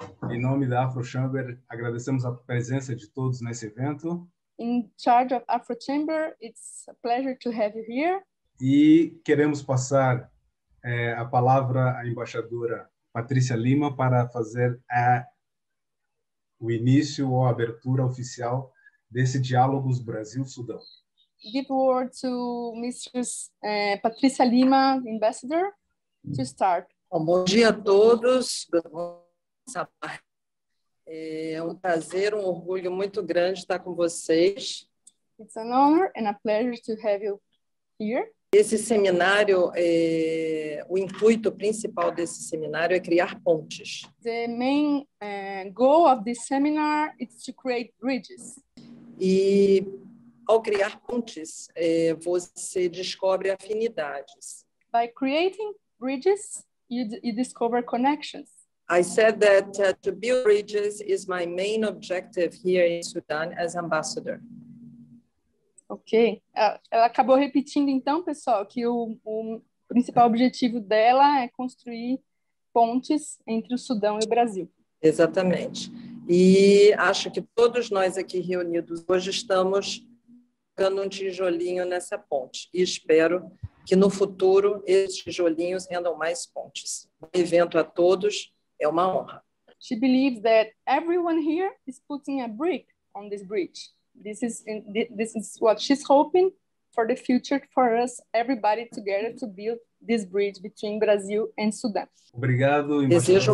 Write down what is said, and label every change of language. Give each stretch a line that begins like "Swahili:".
Portuguese: Em nome da Afro Chamber, agradecemos a presença de todos nesse evento.
English: In charge of Afro Chamber, it's a pleasure to have you here.
Portuguese: E queremos passar a palavra à embaixadora Patrícia Lima para fazer o início ou a abertura oficial desse diálogo Brasil-Sudão.
English: Give word to Mrs. Patricia Lima, Ambassador, to start.
Portuguese: Bom dia a todos. É um prazer, um orgulho muito grande estar com vocês.
English: It's an honor and a pleasure to have you here.
Portuguese: Esse seminário, o intuito principal desse seminário é criar pontes.
English: The main goal of this seminar is to create bridges.
Portuguese: E ao criar pontes, você descobre afinidades.
English: By creating bridges, you discover connections. I said that to build bridges is my main objective here in Sudan as ambassador. Ok.
Portuguese: Ela acabou repetindo, então, pessoal, que o principal objetivo dela é construir pontes entre o Sudão e o Brasil. Exatamente. E acho que todos nós aqui reunidos hoje estamos colocando um tijolinho nessa ponte. E espero que no futuro esses tijolinhos rendam mais pontes. Um evento a todos. É uma honra.
English: She believes that everyone here is putting a brick on this bridge. This is what she's hoping for the future for us, everybody together, to build this bridge between Brazil and Sudan.
Portuguese: Obrigado, Desejo um